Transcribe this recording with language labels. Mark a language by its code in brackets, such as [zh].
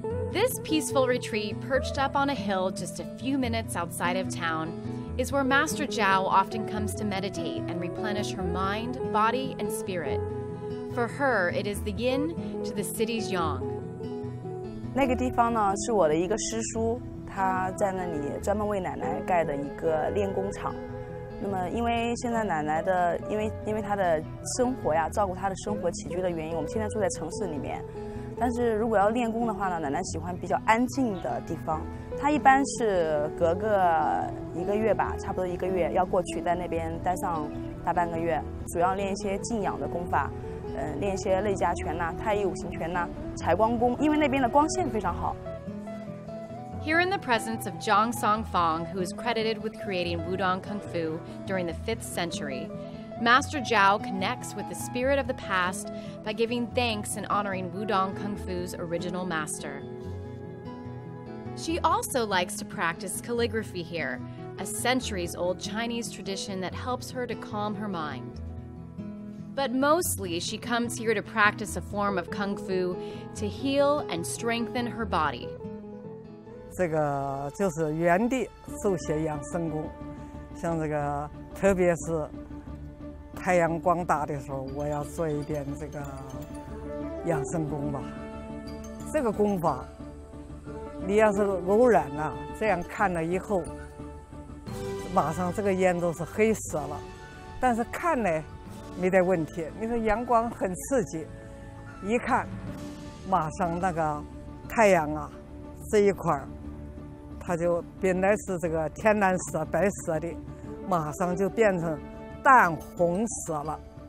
[en] This peaceful retreat, perched up on a hill just a few minutes outside of town, is where Master Zhao often comes to meditate and replenish her mind, body, and spirit. For her, it is the yin to the city's yang. [zh] 那个地方呢，是我的一个师叔。他在那里专门为奶奶盖的一个练功场。那么因为现在奶奶的因为她的生活呀，照顾她的生活起居的原因，我们现在住在城市里面。但是如果要练功的话呢，奶奶喜欢比较安静的地方。她一般是隔个一个月吧，差不多一个月要过去，在那边待上大半个月，主要练一些静养的功法，练一些内家拳呐、太乙五行拳呐、柴光功，因为那边的光线非常好。 [en] Here in the presence of Zhang Song Fong, who is credited with creating Wudang Kung Fu during the 5th century, Master Zhao connects with the spirit of the past by giving thanks and honoring Wudang Kung Fu's original master. She also likes to practice calligraphy here, a centuries-old Chinese tradition that helps her to calm her mind. But mostly, she comes here to practice a form of Kung Fu to heal and strengthen her body. [zh] 这个就是原地手写养生功，像这个特别是太阳光大的时候，我要做一点这个养生功吧。这个功法你要是偶然啊这样看了以后，马上这个眼都是黑色了，但是看呢没得问题，你说阳光很刺激，一看马上那个太阳啊这一块它就本来是这个天蓝色、白色的，马上就变成淡红色了。